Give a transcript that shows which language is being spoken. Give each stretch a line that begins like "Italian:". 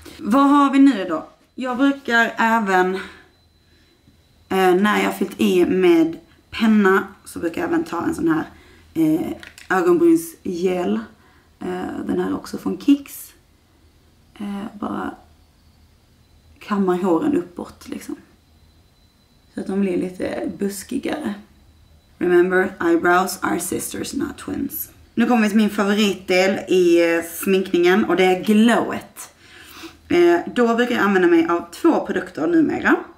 Swedish: Vad har vi nu då? Jag brukar även när jag har fyllt i med penna så brukar jag även ta en sån här ögonbrynsgel. Den här är också från Kix. Bara kammar håren uppåt liksom. Så att de blir lite buskigare.
English: Remember, eyebrows are sisters, not twins.
Swedish: Nu kommer vi till min favoritdel i sminkningen och det är glowet. Då brukar jag använda mig av 2 produkter numera.